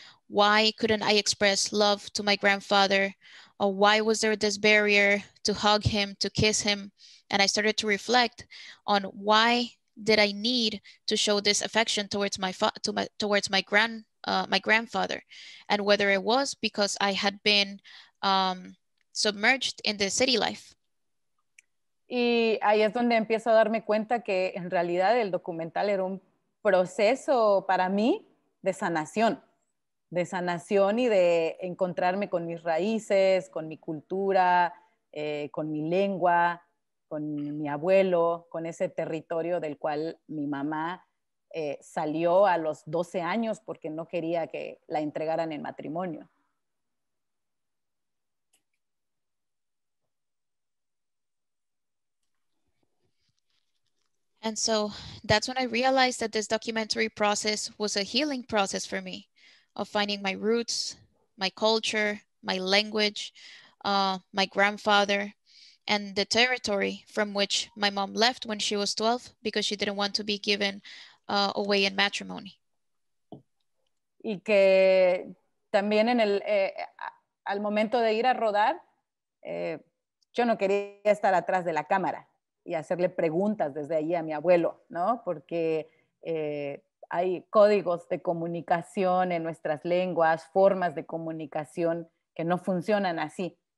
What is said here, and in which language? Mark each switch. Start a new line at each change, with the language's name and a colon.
English: Why couldn't I express love to my grandfather? Or why was there this barrier to hug him, to kiss him? And I started to reflect on why did I need to show this affection towards my grandfather? And whether it was because I had been submerged in the city life.
Spanish: Y ahí es donde empiezo a darme cuenta que en realidad el documental era un proceso para mí de sanación y de encontrarme con mis raíces, con mi cultura, con mi lengua, con mi abuelo, con ese territorio del cual mi mamá salió a los 12 años porque no quería que la entregaran en matrimonio.
English: And so that's when I realized that this documentary process was a healing process for me of finding my roots, my culture, my language, my grandfather, and the territory from which my mom left when she was 12 because she didn't want to be given away in matrimony.
Spanish: Y que también en el al momento de ir a rodar, yo no quería estar atrás de la cámara y hacerle preguntas desde allí a mi abuelo, ¿no? Porque hay códigos de comunicación en nuestras lenguas, formas de comunicación que no funcionan así.